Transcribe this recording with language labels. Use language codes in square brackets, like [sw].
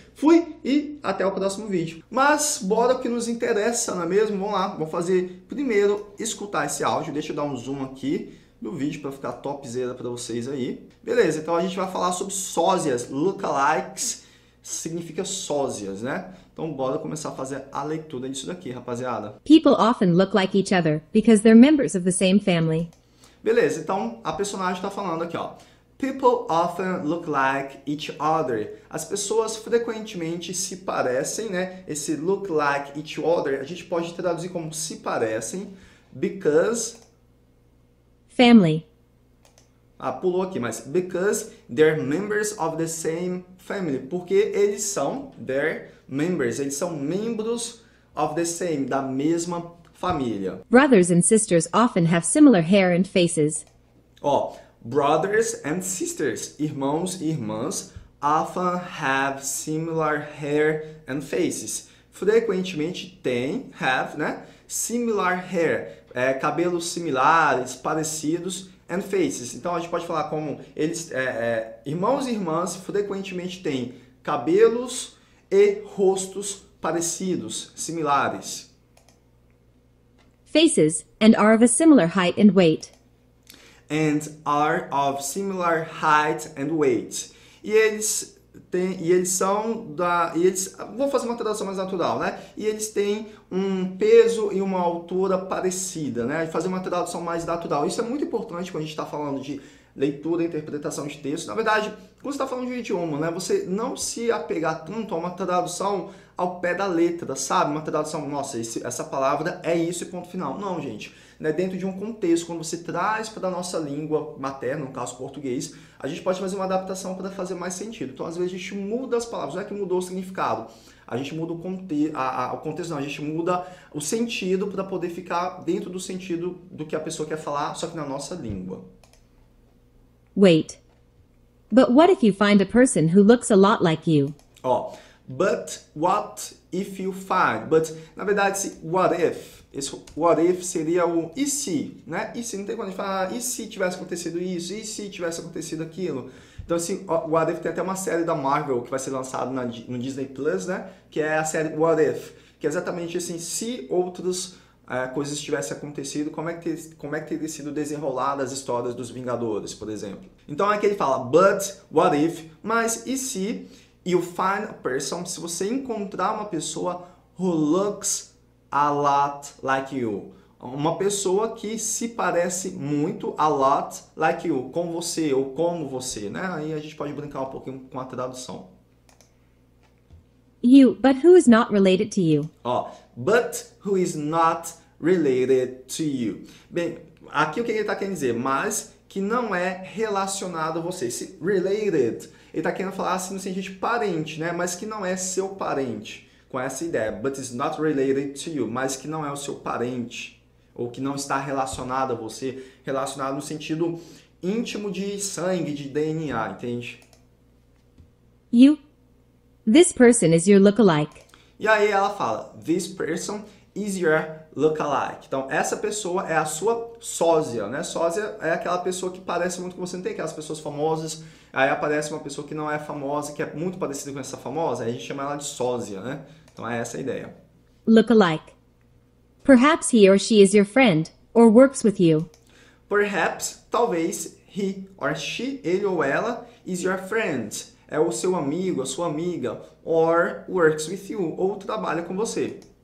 [pt] Fui e até o próximo vídeo. Mas, bora o que nos interessa, não é mesmo? Vamos lá. Vou fazer primeiro, escutar esse áudio. Deixa eu dar um zoom aqui no vídeo para ficar topzera para vocês aí. Beleza, então a gente vai falar sobre sósias. Lookalikes significa sósias, né? Então bora começar a fazer a leitura disso daqui, rapaziada. [en] People often look like each other because they're members of the same family. [pt] Beleza, então a personagem está falando aqui, ó. [en] People often look like each other. [pt] As pessoas frequentemente se parecem, né? Esse [en] look like each other, [pt] a gente pode traduzir como se parecem. [en] Because... family. [pt] Ah, pulou aqui, mas [en] because they're members of the same family. [pt] Porque eles são, [en] they're members, [pt] eles são membros [en] of the same, [pt] da mesma família. [en] Brothers and sisters often have similar hair and faces. Oh, brothers and sisters, [pt] irmãos e irmãs, [en] often have similar hair and faces. [pt] Frequentemente têm, [en] have, [pt] né? [en] Similar hair, [pt] cabelos similares, parecidos. [en] And faces. [pt] Então a gente pode falar como eles, irmãos e irmãs frequentemente têm cabelos e rostos parecidos, similares. [en] Faces and are of a similar height and weight. And are of similar height and weight. [pt] E eles têm, e eles são da, e eles, vou fazer uma tradução mais natural, né? E eles têm um peso e uma altura parecida, né? Fazer uma tradução mais natural. Isso é muito importante quando a gente está falando de leitura e interpretação de texto. Na verdade, quando você está falando de um idioma, né? Você não se apegar tanto a uma tradução ao pé da letra, sabe? Uma tradução, nossa, essa palavra é isso e ponto final. Não, gente. Né? Dentro de um contexto, quando você traz para a nossa língua materna, no caso português, a gente pode fazer uma adaptação para fazer mais sentido. Então, às vezes, a gente muda as palavras. Não é que mudou o significado. A gente muda o contexto, não, a gente muda o sentido para poder ficar dentro do sentido do que a pessoa quer falar, só que na nossa língua. [en] Wait. But what if you find a person who looks a lot like you? Oh, but what if you find? But, [pt] na verdade, [en] what if? [pt] Esse what if seria o e se, né? E se, não tem como a gente falar, e se tivesse acontecido isso? E se tivesse acontecido aquilo? Então, assim, What If tem até uma série da Marvel que vai ser lançada no Disney Plus, né? Que é a série What If. Que é exatamente assim, se outras coisas tivessem acontecido, como é que teria sido desenrolada as histórias dos Vingadores, por exemplo. Então, aqui ele fala, [en] but, what if, [pt] mas e se [en] you find a person, [pt] se você encontrar uma pessoa [en] who looks a lot like you. [pt] Uma pessoa que se parece muito, [en] a lot, like you, [pt] com você ou como você, né? Aí a gente pode brincar um pouquinho com a tradução. [en] You, but who is not related to you? Oh, but who is not related to you? [pt] Bem, aqui o que ele está querendo dizer? Mas que não é relacionado a você. Esse related, ele está querendo falar assim no sentido de parente, né? Mas que não é seu parente, com essa ideia. [en] But is not related to you, [pt] mas que não é o seu parente. Ou que não está relacionado a você, relacionado no sentido íntimo de sangue, de DNA, entende? [en] You, this person is your lookalike. [pt] E aí ela fala, [en] this person is your lookalike. [pt] Então, essa pessoa é a sua sósia, né? Sósia é aquela pessoa que parece muito com você, não tem aquelas pessoas famosas. Aí aparece uma pessoa que não é famosa, que é muito parecida com essa famosa, aí a gente chama ela de sósia, né? Então, é essa a ideia. [en] Lookalike. Perhaps he or she is your friend, or works with you. Perhaps, [pt] talvez, [en] he or she, [pt] ele ou ela, [en] is your friend. [pt] É o seu amigo, a sua amiga, [en] or works with you, [pt] ou trabalha com você.